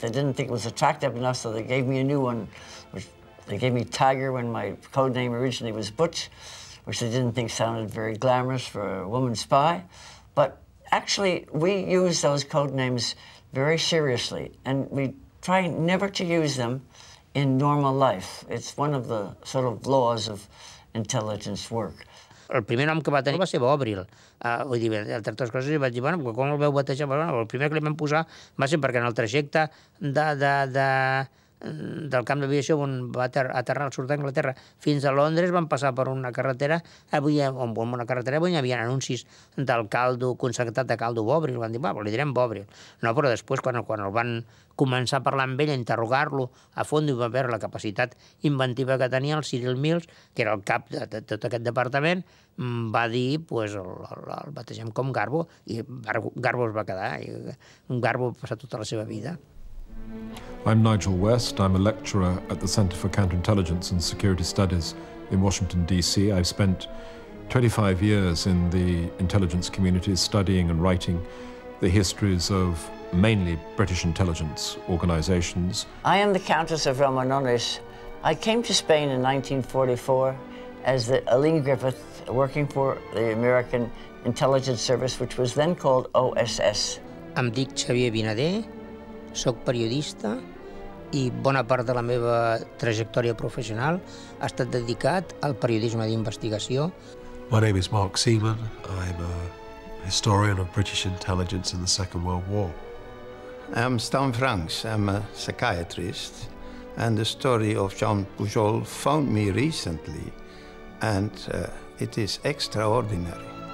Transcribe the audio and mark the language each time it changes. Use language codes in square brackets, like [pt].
[en] They didn't think it was attractive enough, so they gave me a new one. They gave me Tiger when my code name originally was Butch, which they didn't think sounded very glamorous for a woman spy. But actually, we use those code names very seriously, and we try never to use them in normal life. It's one of the sort of laws of intelligence work. [ca] El primer nom que va tenir va ser Bòbril. Vull dir, entre altres coses, vaig dir, bueno, com el veu batejar? Bueno, el primer que li vam posar va ser perquè en el trajecte del camp d'aviació on va aterrar el sud d'Anglaterra fins a Londres, van passar per una carretera, on hi havia anuncis del caldo, consagrat de caldo Bòbril. Van dir, bueno, li direm Bòbril. No, però després, quan el van començar a parlar amb ell, a interrogar-lo a fons, i van veure la capacitat inventiva que tenia el Cyril Mills, que era el cap de tot aquest departament, va dir, pues, el bategem com Garbo, i Garbo es va quedar, i Garbo va passar tota la seva vida. [en] I'm Nigel West. I'm a lecturer at the Center for Counterintelligence and Security Studies in Washington, D.C. I've spent 25 years in the intelligence community studying and writing the histories of mainly British intelligence organizations. I am the Countess of Romanones. I came to Spain in 1944 as the Aline Griffith, working for the American Intelligence Service, which was then called OSS. [ca] Em dic Xavier Vinader. Soc periodista i bona part de la meva trajectòria professional ha estat dedicat al periodisme d'investigació. [en] My name is Mark Seaman. I'm a historian of British intelligence in the Second World War. I'm Stan Franks. I'm a psychiatrist. And the story of Jean Pujol found me recently, and it is extraordinary.